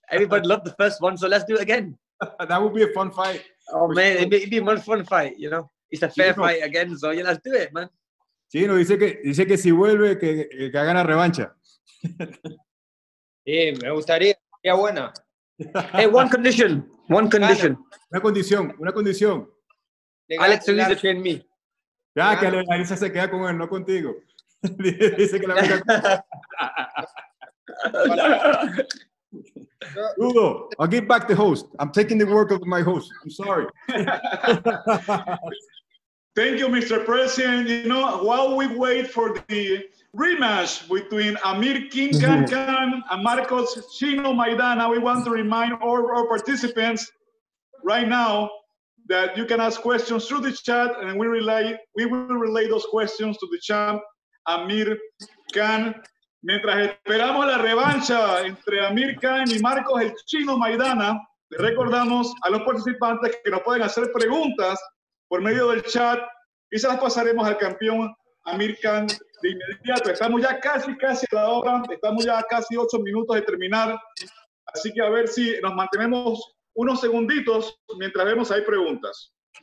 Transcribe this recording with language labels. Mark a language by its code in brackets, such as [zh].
[en] Everybody loved the first one, so let's do it again. That would be a fun fight. Oh, man, it'd be a much fun fight, you know. It's a fair Chino fight again, so yeah, let's do it, man. [es] Chino, dice que si vuelve, que haga la revancha. Sí, me gustaría. Sería buena. [en] Hey, one condition. One condition. [es] Una condición. Alex Solís defiende mí. Ya, que Alexa se queda con él, no contigo. Dice que la mira. [en] Hugo, I'll give back the host. I'm taking the work of my host. I'm sorry. Thank you, Mr. President. You know, while we wait for the rematch between Amir King Khan Khan and Marcos Chino Maidana, we want to remind all our participants right now that you can ask questions through the chat, and we will relay those questions to the champ, Amir Khan. [es] Mientras esperamos la revancha entre Amir Khan y Marcos el Chino Maidana, recordamos a los participantes que nos pueden hacer preguntas por medio del chat y se las pasaremos al campeón Amir Khan de inmediato. Estamos ya casi a la hora, estamos ya casi 8 minutos de terminar, así que a ver si nos mantenemos unos segunditos mientras vemos hay preguntas.